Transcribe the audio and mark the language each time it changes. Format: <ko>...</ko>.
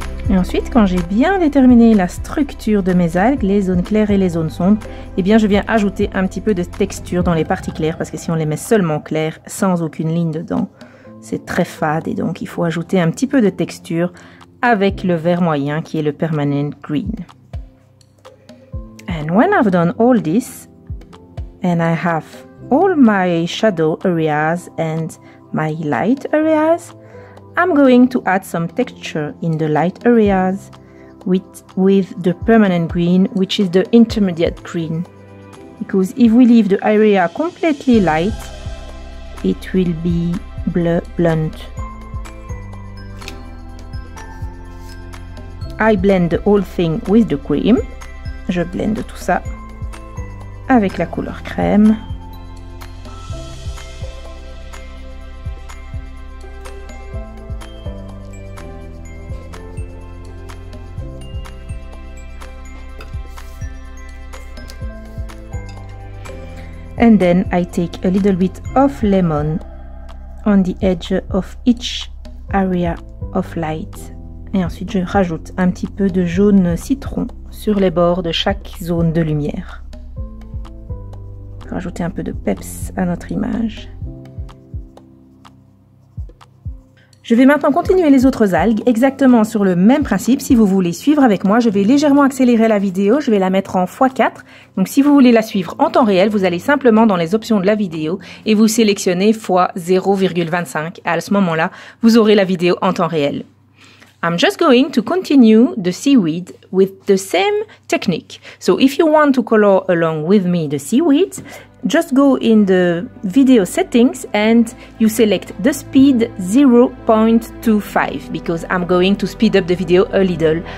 <fr>Et ensuite, quand j'ai bien déterminé la structure de mes algues, les zones claires et les zones sombres, eh bien je viens ajouter un petit peu de texture dans les parties claires, parce que si on les met seulement claires, sans aucune ligne dedans, c'est très fade, et donc il faut ajouter un petit peu de texture avec le vert moyen, qui est le permanent green.</fr> <en>And when I've done all this, and I have all my shadow areas and my light areas, I'm going to add some texture in the light areas with the permanent green, which is the intermediate green. Because if we leave the area completely light, it will be blunt. I blend the whole thing with the cream.</en> <fr>Je blend tout ça avec la couleur crème.</fr> <en>And then I take a little bit of lemon on the edge of each area of light.</en> <fr>Et ensuite, je rajoute un petit peu de jaune citron sur les bords de chaque zone de lumière. Rajouter un peu de peps à notre image. Je vais maintenant continuer les autres algues, exactement sur le même principe. Si vous voulez suivre avec moi, je vais légèrement accélérer la vidéo, je vais la mettre en x4. Donc si vous voulez la suivre en temps réel, vous allez simplement dans les options de la vidéo et vous sélectionnez x0,25. À ce moment-là, vous aurez la vidéo en temps réel.</fr> <en>I'm just going to continue the seaweed with the same technique. So if you want to color along with me the seaweed, just go in the video settings and you select the speed 0.25 because I'm going to speed up the video a little.</en>